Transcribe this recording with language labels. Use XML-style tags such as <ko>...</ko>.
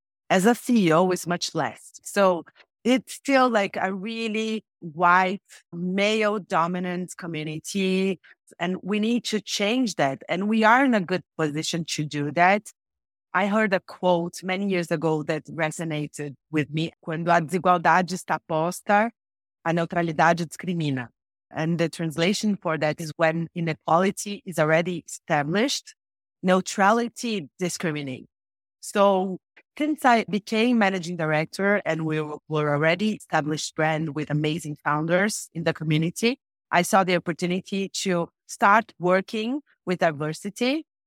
<en>As a CEO, it's much less. So it's still like a really white, male-dominant community. And we need to change that. And we are in a good position to do that. I heard a quote many years ago that resonated with me.</en> <pt>Quando a desigualdade está posta, a neutralidade discrimina.</pt> <en>And the translation for that is when inequality is already established, neutrality discriminates. So since I became managing director and we were already established brand with amazing founders in the community, I saw the opportunity to start working with diversity.</en>